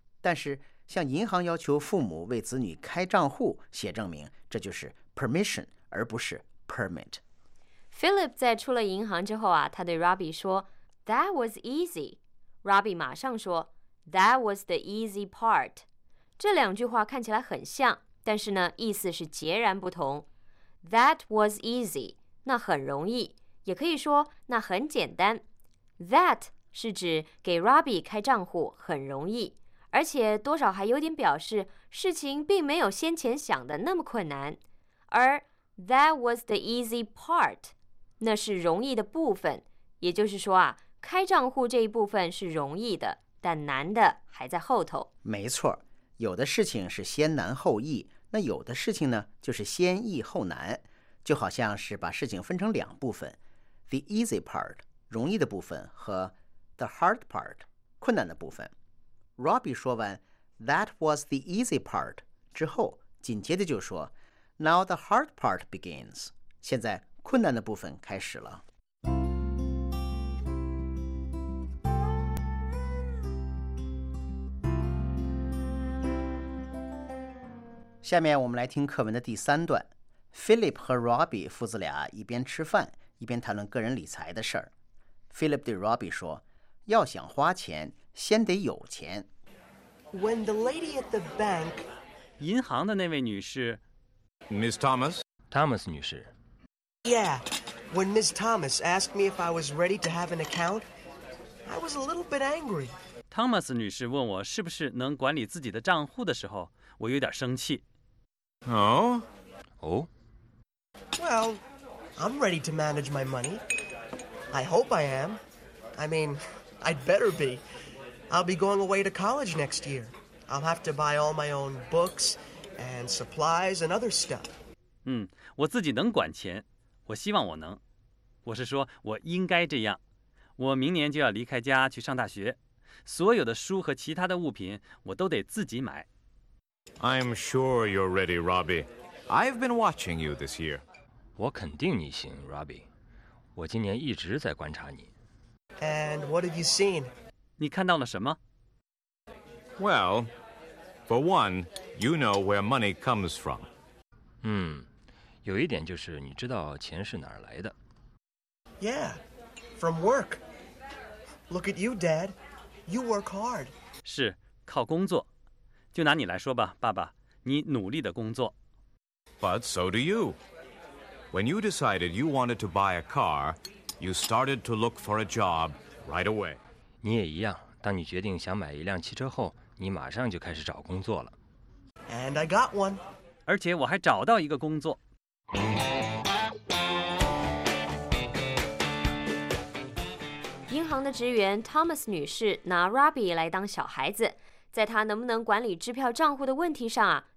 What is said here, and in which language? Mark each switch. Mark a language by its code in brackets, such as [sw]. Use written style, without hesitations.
[zh] 但是像银行要求父母为子女开账户写证明，这就是 permission 而不是 permit。 Philip 在出了银行之后啊，他对 Robbie 说 [en] That was easy。 [zh] Robbie 马上说 [en] That was the easy part。 [zh] 这两句话看起来很像，但是呢意思是截然不同。 [en] That was easy， [zh] 那很容易，也可以说那很简单。 That 是指给 Robbie 开账户很容易，而且多少还有点表示事情并没有先前想的那么困难。而 [en] that was the easy part， [zh] 那是容易的部分，也就是说啊，开账户这一部分是容易的，但难的还在后头。没错，有的事情是先难后易，那有的事情呢就是先易后难，就好像是把事情分成两部分， [en] the easy part， [zh] 容易的部分，和 [en] the hard part， [zh] 困难的部分。 Robbie 说完 [en] That was the easy part [zh] 之后，紧接着就说 [en] Now the hard part begins， [zh] 现在困难的部分开始了。下面我们来听课文的第三段。Philip 和 Robbie 父子俩一边吃饭一边谈论个人理财的事儿。 Philip 对 Robbie 说，要想花钱先得有钱。 [en] When the lady at the bank, [zh] 银行的那位女士 [en] Miss Thomas, [zh] Thomas 女士 [en] Yeah, when Miss Thomas asked me if I was ready to have an account, I was a little bit angry. [zh] Thomas 女士问我是不是能管理自己的账户的时候，我有点生气。 Oh? Oh? [en] Well, I'm ready to manage my money. I hope I am. I mean, I'd better be. I'll be going away to college next year. I'll have to buy all my own books and supplies and other stuff. [zh] 我自己能管钱，我希望我能。我是说我应该这样。我明年就要离开家去上大学，所有的书和其他的物品我都得自己买。 [en] I'm sure you're ready, Robbie. I've been watching you this year. [zh] 我肯定你行 ，Robbie。我今年一直在观察你。 [en] And what have you seen? [zh] 你看到了什么？ [en] Well, for one, you know where money comes from. [zh] 有一点就是你知道钱是哪儿来的。 [en] Yeah, from work. Look at you, Dad. You work hard. [zh] 是，靠工作。就拿你来说吧，爸爸，你努力的工作。 [en] But so do you. When you decided you wanted to buy a car, you started to look for a job right away. [zh] 你也一样，当你决定想买一辆汽车后，你马上就开始找工作了。 [en] And I got one. [zh] 而且我还找到一个工作。银行的职员 Thomas 女士拿 Robbie 来当小孩子，在他能不能管理支票账户的问题上啊，